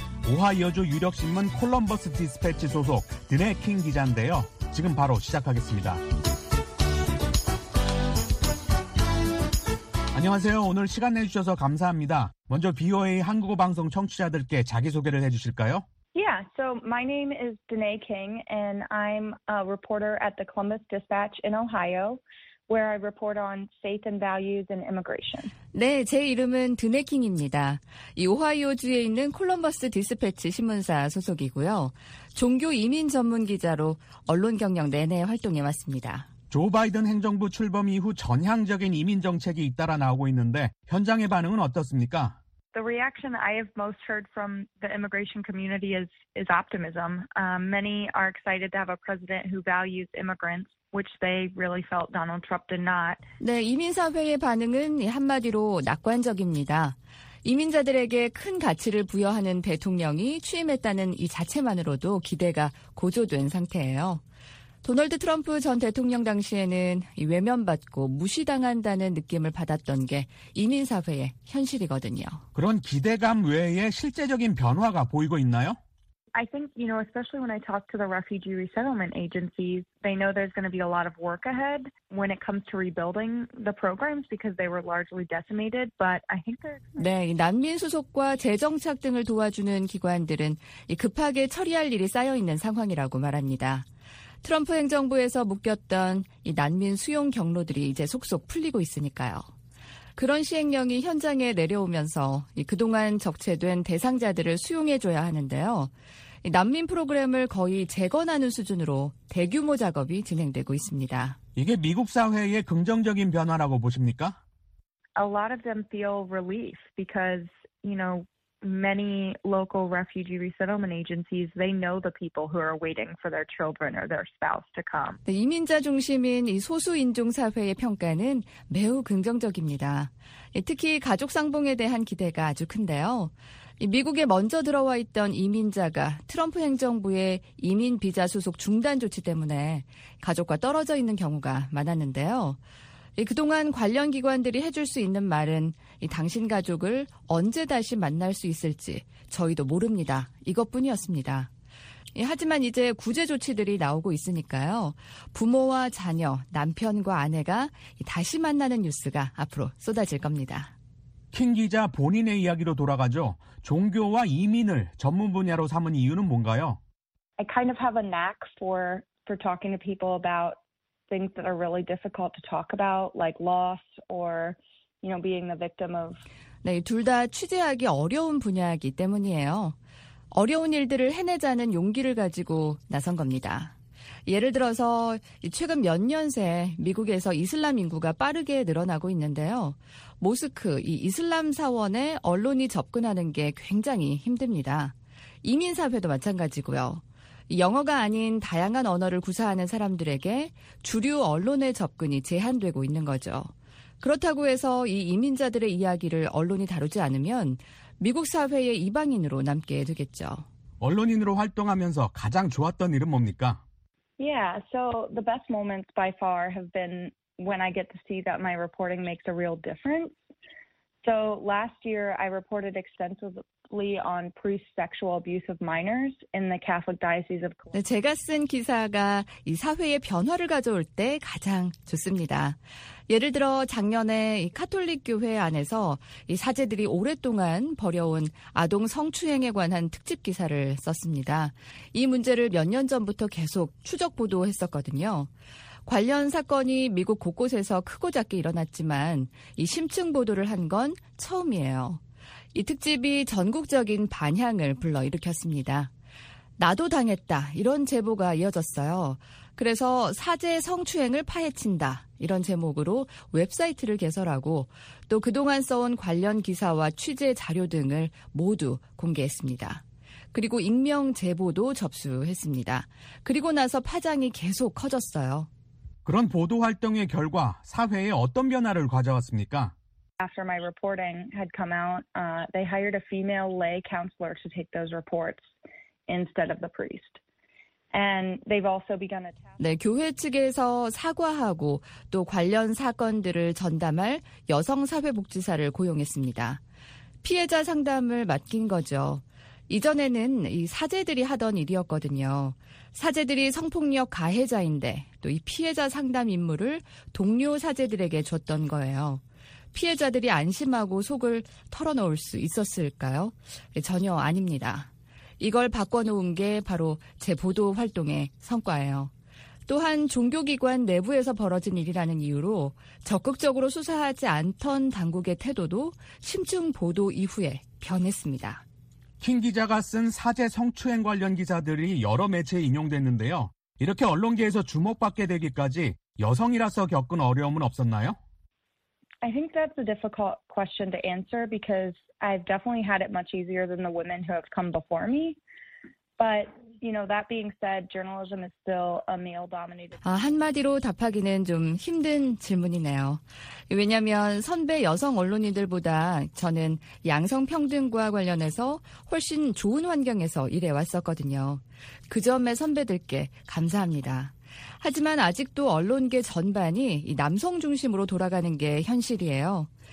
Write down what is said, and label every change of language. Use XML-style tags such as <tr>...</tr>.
<ko>오하이오주 유력신문 콜럼버스 디스패치 소속 드네 킹 기자인데요. 지금 바로 시작하겠습니다. 안녕하세요. 오늘 시간 내주셔서 감사합니다. 먼저 VOA 한국어 방송 청취자들께 자기소개를 해주실까요?</ko> <en>Yeah, so my name is Danae King, and I'm a reporter at the Columbus Dispatch in Ohio, where I report on faith and values and immigration.</en> <ko>네, 제 이름은 드네 킹입니다. 이 오하이오주에 있는 콜럼버스 디스패치 신문사 소속이고요. 종교 이민 전문 기자로 언론 경력 내내 활동해 왔습니다. 조 바이든 행정부 출범 이후 전향적인 이민 정책이 잇따라 나오고 있는데 현장의 반응은 어떻습니까?</ko> <en>The reaction I have most heard from the immigration community is optimism. Many are excited to have a president who values immigrants, which they really felt Donald Trump did not.</en> <ko>네, 이민사회의 반응은 한마디로 낙관적입니다. 이민자들에게 큰 가치를 부여하는 대통령이 취임했다는 이 자체만으로도 기대가 고조된 상태예요. 도널드 트럼프 전 대통령 당시에는 외면받고 무시당한다는 느낌을 받았던 게 이민사회의 현실이거든요. 그런 기대감 외에 실제적인 변화가 보이고 있나요?</ko> <en>I think, you know, especially when I talk to the refugee resettlement agencies, they know there's going to be a lot of work ahead when it comes to rebuilding the programs because they were largely decimated. But I think there's...</en> <ko>네, 난민 수속과 재정착 등을 도와주는 기관들은 급하게 처리할 일이 쌓여 있는 상황이라고 말합니다. 트럼프 행정부에서 묶였던 이 난민 수용 경로들이 이제 속속 풀리고 있으니까요. 그런 시행령이 현장에 내려오면서 그동안 적체된 대상자들을 수용해줘야 하는데요. 난민 프로그램을 거의 재건하는 수준으로 대규모 작업이 진행되고 있습니다. 이게 미국 사회의 긍정적인 변화라고 보십니까?</ko> <en>A lot of them feel relief because, you know, many local refugee resettlement agencies, they know the people who are waiting for their children or their spouse to come.</en> <ko>네, 이민자 중심인 이 소수 인종 사회의 평가는 매우 긍정적입니다. 예, 특히 가족 상봉에 대한 기대가 아주 큰데요. 미국에 먼저 들어와 있던 이민자가 트럼프 행정부의 이민 비자 수속 중단 조치 때문에 가족과 떨어져 있는 경우가 많았는데요. 그동안 관련 기관들이 해줄 수 있는 말은 당신 가족을 언제 다시 만날 수 있을지 저희도 모릅니다. 이것뿐이었습니다. 하지만 이제 구제 조치들이 나오고 있으니까요. 부모와 자녀, 남편과 아내가 다시 만나는 뉴스가 앞으로 쏟아질 겁니다. 킹 기자 본인의 이야기로 돌아가죠. 종교와 이민을 전문 분야로 삼은 이유는 뭔가요?</ko> <en>I kind of have a knack for talking to people about things that are really difficult to talk about, like loss or, you know, being the victim of.</en> <ko>네, 둘 다 취재하기 어려운 분야이기 때문이에요. 어려운 일들을 해내자는 용기를 가지고 나선 겁니다. 예를 들어서 최근 몇 년 새 미국에서 이슬람 인구가 빠르게 늘어나고 있는데요. 모스크, 이 이슬람 사원에 언론이 접근하는 게 굉장히 힘듭니다. 이민사회도 마찬가지고요. 영어가 아닌 다양한 언어를 구사하는 사람들에게 주류 언론의 접근이 제한되고 있는 거죠. 그렇다고 해서 이 이민자들의 이야기를 언론이 다루지 않으면 미국 사회의 이방인으로 남게 되겠죠. 언론인으로 활동하면서 가장 좋았던 일은 뭡니까?</ko> <en>Yeah, so the best moments by far have been when I get to see that my reporting makes a real difference. So last year I reported extensively on priest sexual abuse of minors in the Catholic Diocese of Columbia.</en> <ko>네, 제가 쓴 기사가 이 사회의 변화를 가져올 때 가장 좋습니다. 예를 들어 작년에 이 카톨릭 교회 안에서 이 사제들이 오랫동안 벌여온 아동 성추행에 관한 특집 기사를 썼습니다. 이 문제를 몇 년 전부터 계속 추적 보도했었거든요. 관련 사건이 미국 곳곳에서 크고 작게 일어났지만 이 심층 보도를 한 건 처음이에요. 이 특집이 전국적인 반향을 불러일으켰습니다. 나도 당했다 이런 제보가 이어졌어요. 그래서 사제 성추행을 파헤친다 이런 제목으로 웹사이트를 개설하고 또 그동안 써온 관련 기사와 취재 자료 등을 모두 공개했습니다. 그리고 익명 제보도 접수했습니다. 그리고 나서 파장이 계속 커졌어요. 그런 보도 활동의 결과 사회에 어떤 변화를 가져왔습니까?</ko> <en>After my reporting had come out, they hired a female lay counselor to take those reports instead of the priest. And they've also begun a task.</en> <ko>네, 교회 측에서 사과하고 또 관련 사건들을 전담할 여성 사회복지사를 고용했습니다. 피해자 상담을 맡긴 거죠. 이전에는 이 사제들이 하던 일이었거든요. 사제들이 성폭력 가해자인데 또 이 피해자 상담 임무를 동료 사제들에게 줬던 거예요. 피해자들이 안심하고 속을 털어놓을 수 있었을까요? 전혀 아닙니다. 이걸 바꿔놓은 게 바로 제 보도 활동의 성과예요. 또한 종교기관 내부에서 벌어진 일이라는 이유로 적극적으로 수사하지 않던 당국의 태도도 심층 보도 이후에 변했습니다. 킹 기자가 쓴 사제 성추행 관련 기사들이 여러 매체에 인용됐는데요. 이렇게 언론계에서 주목받게 되기까지 여성이라서 겪은 어려움은 없었나요?</ko> <en>I think that's a difficult question to answer because I've definitely had it much easier than the women who have come before me. But, you know, that being said, journalism is still a male-dominated.</en> <ko>한마디로 답하기는 좀 힘든 질문이네요. 왜냐하면 선배 여성 언론인들보다 저는 양성평등과 관련해서 훨씬 좋은 환경에서 일해왔었거든요. 그 점에 선배들께 감사합니다. 하지만 아직도 언론계 전반이 남성 중심으로 돌아가는 게 현실이에요.</ko>